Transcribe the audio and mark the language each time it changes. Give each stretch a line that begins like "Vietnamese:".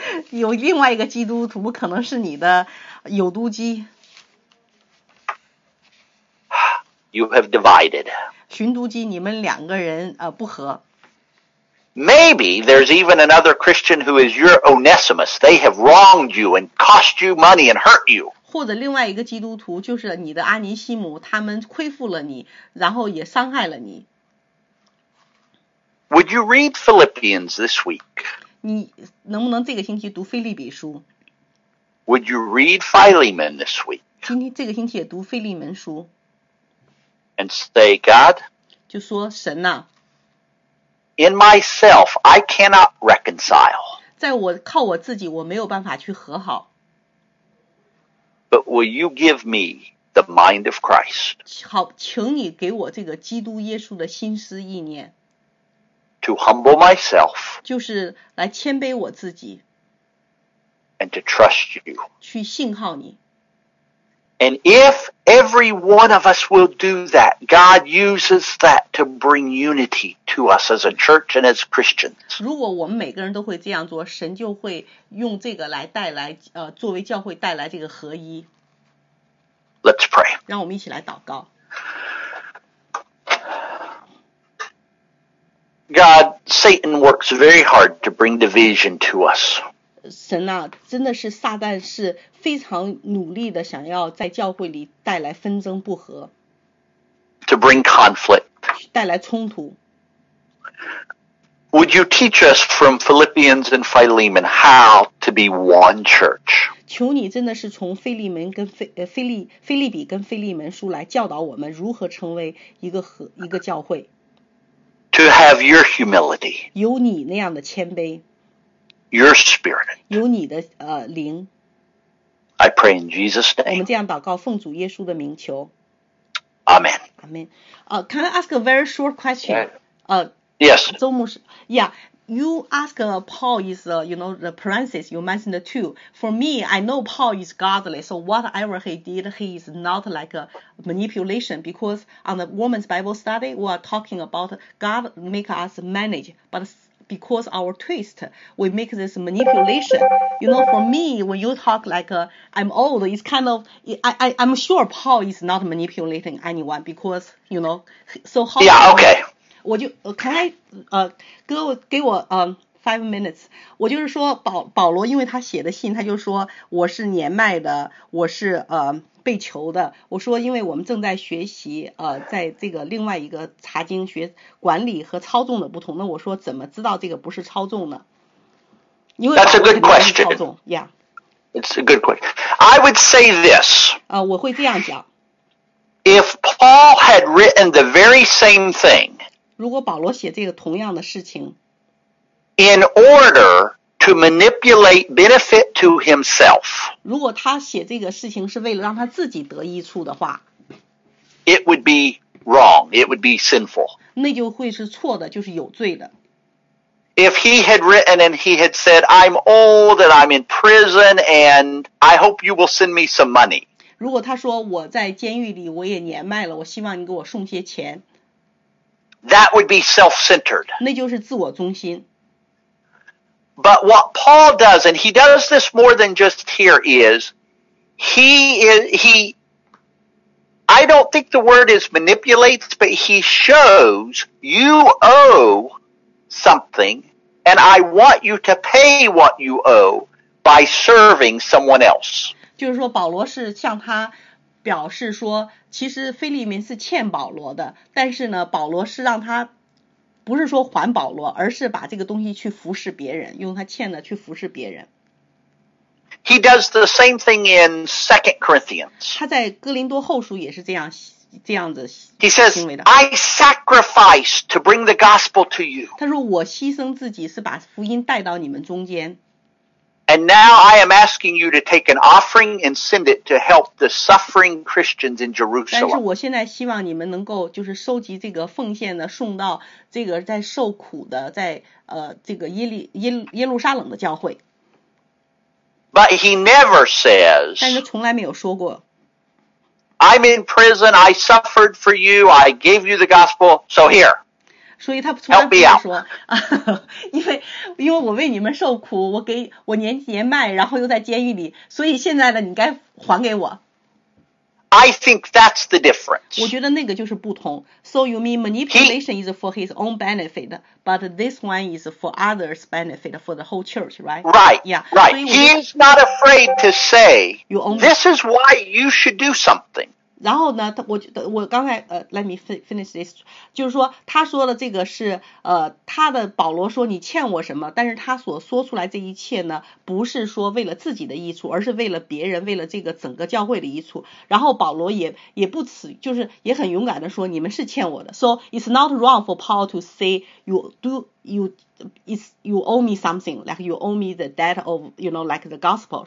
Chinese: 有另外一个基督徒可能是你的有都基。
English: You have divided.
Chinese: 寻都基你们两个人不合。
English: Maybe there's even another Christian who is your Onesimus. They have wronged you and cost you money and hurt you.
Chinese: 或者另外一个基督徒就是你的阿尼西姆，他们亏负了你，然后也伤害了你。
English: Would you read Philippians this week?
Chinese: 你能不能这个星期读腓利比书？
English: Would you read Philemon this week?
Chinese: 今天这个星期也读腓利门书。
English: And say, God?
Chinese: 就说神呐。
English: In myself, I cannot reconcile.
Chinese: 在我靠我自己，我没有办法去和好。
English: But will you give me the mind of Christ?
Chinese: 好，请你给我这个基督耶稣的心思意念。
English: To humble myself.
Chinese: 就是来谦卑我自己。
English: And to trust you.
Chinese: 去信靠你。
English: And if every one of us will do that, God uses that to bring unity to us as a church and as Christians.
Chinese: 如果我们每个人都会这样做，神就会用这个来带来，作为教会带来这个合一。
English: Let's pray.
Chinese: 让我们一起来祷告。
English: God, Satan works very hard to bring division to us.
Chinese: 神啊，真的是撒旦是非常努力的想要在教会里带来纷争不和。
English: To bring conflict.
Chinese: 带来冲突。
English: Would you teach us from Philippians and Philemon how to be one church?
Chinese: 求你真的是从腓利门跟腓利比跟腓利门书来教导我们如何成为一个教会。
English: To have your humility.
Chinese: 有你那样的谦卑。
English: Your spirit.
Chinese: 有你的灵。
English: I pray in Jesus' name.
Chinese: 我们这样祷告，奉主耶稣的名求。
English: Amen. Amen. Can I ask a very short question? Yes. 周牧师 ，Yeah, you ask Paul is you know the parenthesis you mentioned too. For me, I know Paul is godly, so whatever he did, he is not like a manipulation. Because on the woman's Bible study, we are talking about God make us manage, but. Because our twist, we make this manipulation. You know, for me, when you talk like I'm old, it's kind of, I'm sure Paul is not manipulating anyone because, you know, so how... Yeah, okay.
Chinese: 我就,
English: can I,
Chinese: 给我
English: 5 minutes.
Chinese: 我就是说 保罗因为他写的信他就说我是年迈的我是被囚的我说因为我们正在学习在这个另外一个查经学管理和操纵的不同那我说怎么知道这个不是操纵呢因为
English: That's a good question. Yeah. It's a good question. I would say this.
Chinese: 我会这样讲。
English: If Paul had written the very same thing.
Chinese: 如果保罗写这个同样的事情。
English: In order to manipulate benefit to himself,
Chinese: 如果他写这个事情是为了让他自己得益处的话
English: it would be wrong, it would be sinful.
Chinese: 那就会是错的，就是有罪的。
English: If he had written and he had said, I'm old and I'm in prison and I hope you will send me some money.
Chinese: 如果他说我在监狱里我也年迈了，我希望你给我送些钱
English: That would be self-centered.
Chinese: 那就是自我中心。
English: But what Paul does, and he does this more than just here, is I don't think the word is manipulates, but he shows you owe something, and I want you to pay what you owe by serving someone else.
Chinese: 就是说保罗是向他表示说其实菲利民是欠保罗的，但是呢保罗是让他不是说还保罗，而是把这个东西去服侍别人，用他欠的去服侍别人。
English: He does the same thing in 2 Corinthians.
Chinese: 他在哥林多后书也是这样子。
English: He says, I sacrifice to bring the gospel to you.
Chinese: 他说我牺牲自己是把福音带到你们中间。
English: And now I am asking you to take an offering and send it to help the suffering Christians in Jerusalem.
Chinese: 但是我现在希望你们能够就是收集这个奉献呢，送到这个在受苦的在这个耶路撒冷的教会。
English: But he never says,
Chinese: 但是从来没有说过。
English: I'm in prison, I suffered for you, I gave you the gospel, so here.
Chinese: 所以他从来不会说，因为我为你们受苦，我年纪年迈，然后又在监狱里，所以现在呢，你该还给我。
English: I think that's the difference.
Chinese: 我觉得那个就是不同。
English: So you mean manipulation is for his own benefit, but this one is for others' benefit, for the whole church, right? Right, yeah. Right. He is not afraid to say, this is why you should do something.
Chinese: 然后呢，我刚才
English: let me finish this,
Chinese: 就是说他说的这个是他的保罗说你欠我什么，但是他所说出来这一切呢，不是说为了自己的益处，而是为了别人，为了这个整个教会的益处。然后保罗也不辞，就是也很勇敢的说你们是欠我的。
English: So it's not wrong for Paul to say you owe me something, like you owe me the debt of, you know, like the gospel.